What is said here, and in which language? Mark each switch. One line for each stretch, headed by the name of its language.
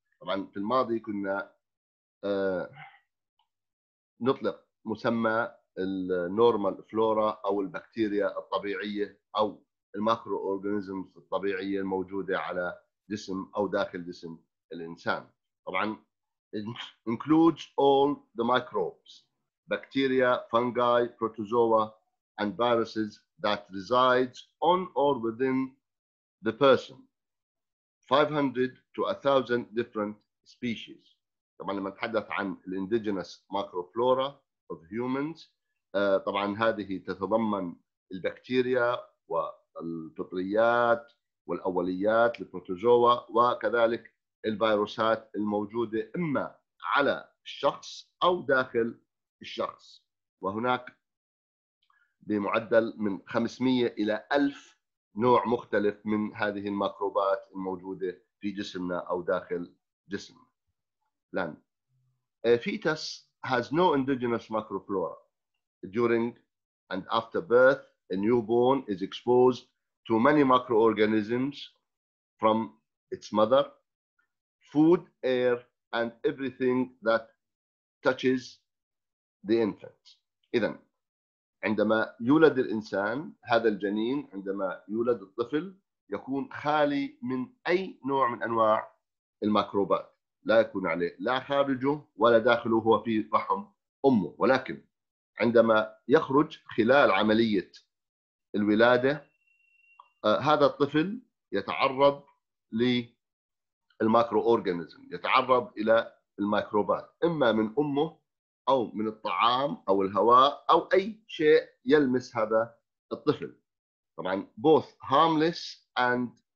English: In the past, we were
Arabic: نطلق مسمى النورمال فلورا او البكتيريا الطبيعيه او الميكرو اورجانيزمز الطبيعيه الموجوده على جسم او داخل جسم الانسان.
English: طبعا includes all the microbes, bacteria, fungi, protozoa and viruses that resides on or within the person. 500 to 1000 different species.
Arabic: طبعا لما نتحدث عن الانديجينس ماكروفلورا اوف هيومنز طبعا هذه تتضمن البكتيريا والفطريات والاوليات البروتوزوا وكذلك الفيروسات الموجوده اما على الشخص او داخل الشخص وهناك بمعدل من 500 الى 1000 نوع مختلف من هذه الميكروبات الموجوده في جسمنا او داخل جسمنا.
English: Land. A fetus has no indigenous microflora. During and after birth, a newborn is exposed to many microorganisms from its mother, food, air, and everything that touches the infant.
Arabic: إذن عندما يولد الإنسان هذا الجنين عندما يولد الطفل يكون خالي من أي نوع من أنواع الميكروبات. لا يكون عليه لا خارجه ولا داخله هو في رحم أمه ولكن عندما يخرج خلال عملية الولادة هذا الطفل يتعرض للمايكرو أورجانيزم يتعرض إلى الميكروبات إما من أمه أو من الطعام أو الهواء أو أي شيء يلمس هذا الطفل طبعا
English: both harmless and